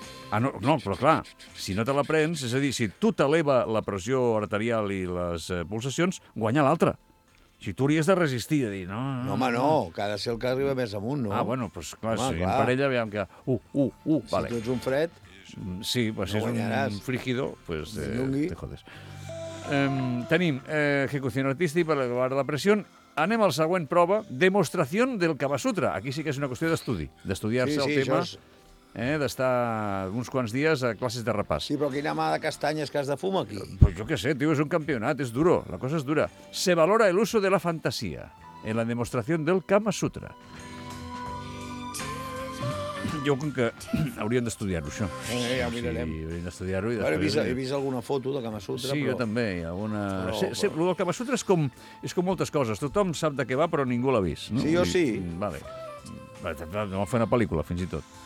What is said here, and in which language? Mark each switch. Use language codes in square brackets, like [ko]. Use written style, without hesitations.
[ca] Ah, no, no, però clar, si no te la prens, és a dir, si tu t'eleva la pressió arterial i les pulsacions, guanya l'altre. Si tu hauries de resistir, de dir, no... No, home, no, que ha de ser el que arriba més amunt, no? Ah, bueno, però clar, home, si clar. En parella, veiem que... Vale. Si tu ets un fred... Sí, però si no és guanyaràs. [es] Un frígido, pues te jodes. [ca] Tenim [es] ejecución artística [ca] per elevar la pressió. Anem a la següent prova, demostració del Kama Sutra. Aquí sí que és una qüestió d'estudi, d'estudiar-se sí, el tema... d'estar uns quants dies a classes de repàs. Sí, però quina mà de castanyes que has de fumar aquí. Pues jo què sé, tio, és un campionat, és duro, la cosa és dura. [es] Se valora el uso de la fantasía en la demostración del Kama Sutra. [ca] Jo crec que hauríem d'estudiar-ho, això. Sí, ja mirarem. Sí, hauríem d'estudiar-ho. I després... Bueno, he vist alguna foto de Kama Sutra, però... Sí, jo també, hi ha alguna... Però... El Kama Sutra és com moltes coses, tothom sap de què va, però ningú l'ha vist. No? Sí, jo sí. Vale. No va fer una pel·lícula, fins i tot.